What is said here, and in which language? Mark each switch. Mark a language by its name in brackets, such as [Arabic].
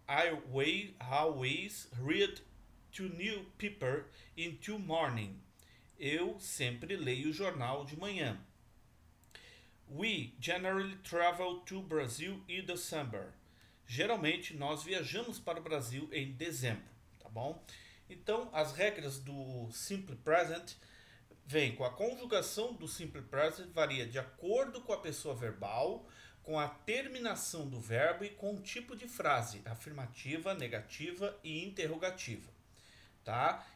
[English] I always read to newspaper in the morning. [Portuguese] Eu sempre leio o jornal de manhã. [English] We generally travel to Brazil in December. [Portuguese] Geralmente nós viajamos para o Brasil em dezembro, tá bom? Então, as regras do Simple Present vêm com a conjugação do Simple Present varia de acordo com a pessoa verbal, com a terminação do verbo e com o tipo de frase, afirmativa, negativa e interrogativa, tá?